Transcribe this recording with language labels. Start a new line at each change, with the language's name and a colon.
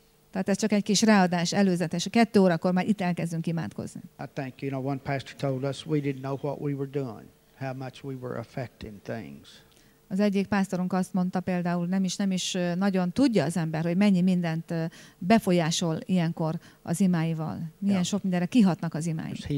Hungarian: Tehát ez csak egy kis ráadás, előzetes. 2 órakor már itt elkezdünk imádkozni.
English: I think, you know, one pastor told us we didn't know what we were doing, how much we were affecting things.
Hungarian: Az egyik pásztorunk azt mondta például, nem is nagyon tudja az ember, hogy mennyi mindent befolyásol ilyenkor az imáival. Milyen sok mindenre kihatnak az imái.